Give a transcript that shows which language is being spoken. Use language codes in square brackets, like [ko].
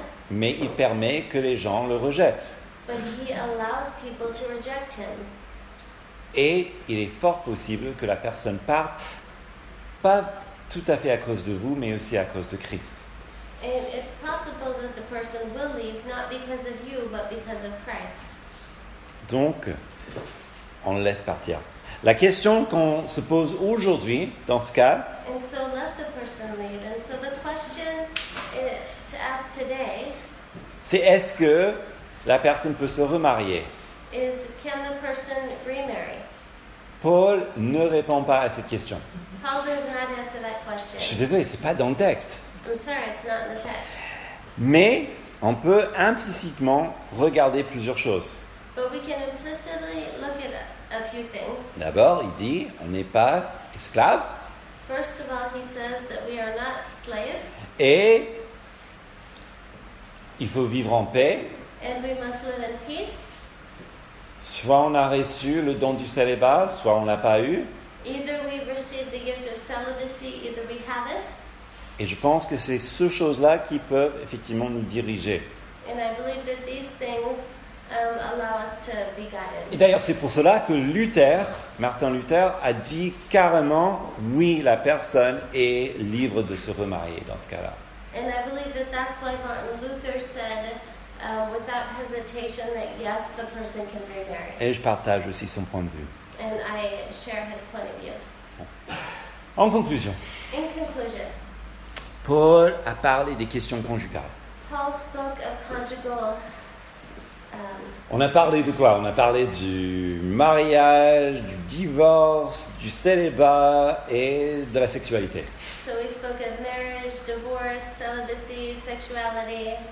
[fr] Mais il permet que les gens le rejettent. [en] But he allows people to reject him. [fr] Et il est fort possible que la personne parte, pas tout à fait à cause de vous, mais aussi à cause de Christ. [en] And it's possible that the person will leave, not because of you, but because of Christ. [fr] Donc, on le laisse partir. La question qu'on se pose aujourd'hui, dans ce cas, [en] and so let the person leave. And so the question to ask today, [fr] c'est est-ce que la personne peut se remarier. [en] Can the person remarry? [fr] Paul ne répond pas à cette question. [en] Paul does not answer that question. [fr] Je suis désolé, ce n'est pas dans le texte. [en] I'm sorry, it's not in the text. [fr] Mais on peut implicitement regarder plusieurs choses. [en] But we can implicitly look at a few things. [fr] D'abord, il dit, on n'est pas esclave. [en] First of all, he says that we are not slaves. [fr] Et il faut vivre en paix. [en] And we must live in peace. [fr] Soit on a reçu le don du célibat, soit on ne l'a pas eu. [en] Either we've received the gift of celibacy, either we have it. [fr] Et je pense que c'est ces choses-là qui peuvent effectivement nous diriger. [en] And I believe that these things allow us to be guided. [fr] Et d'ailleurs, c'est pour cela que Martin Luther, a dit carrément, oui, la personne est libre de se remarier dans ce cas-là. [en] And I believe that that's why Martin Luther said, without hesitation, that yes, the person can remarry. [fr] Et je partage aussi son point de vue. [en] And I share his point of view. [fr] En conclusion. [en] In conclusion. [fr] Paul a parlé des questions conjugales. [en] Paul spoke of conjugal. [fr] On a parlé de quoi? On a parlé du mariage, du divorce, du célibat et de la sexualité. [en] So we spoke of marriage, divorce, celibacy, sexuality.